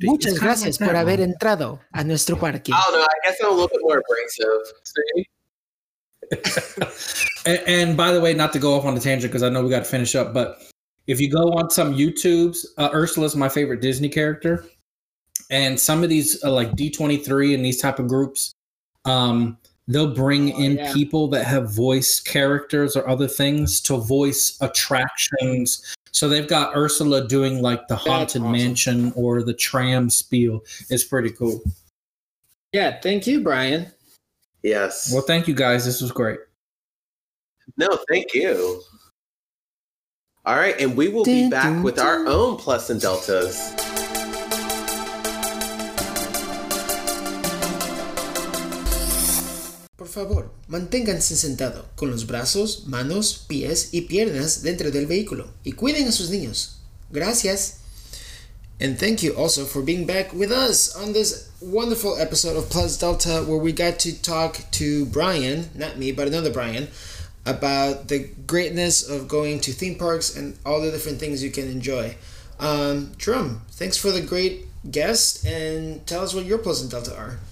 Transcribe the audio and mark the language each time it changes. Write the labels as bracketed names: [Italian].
[Spanish] Muchas gracias por haber entrado a nuestro parque. [English] I don't know. I guess I'm a little bit more abrasive. See? And by the way, not to go off on a tangent because I know we got to finish up, but if you go on some YouTubes, Ursula's my favorite Disney character. And some of these, like D23 and these type of groups, they'll bring people that have voice characters or other things to voice attractions. So they've got Ursula doing like the Haunted Mansion or the tram spiel. It's pretty cool. Yeah. Thank you, Brian. Yes. Well, thank you, guys. This was great. No, thank you. All right. And we will be back with our own Plus and Deltas. [Spanish] Por favor, manténganse sentado con los brazos, manos, pies y piernas dentro del vehículo y cuiden a sus niños. Gracias. [English] And thank you also for being back with us on this wonderful episode of Plus Delta, where we got to talk to Brian, not me, but another Brian, about the greatness of going to theme parks and all the different things you can enjoy. Jerome, thanks for the great guest and tell us what your Plus and Delta are.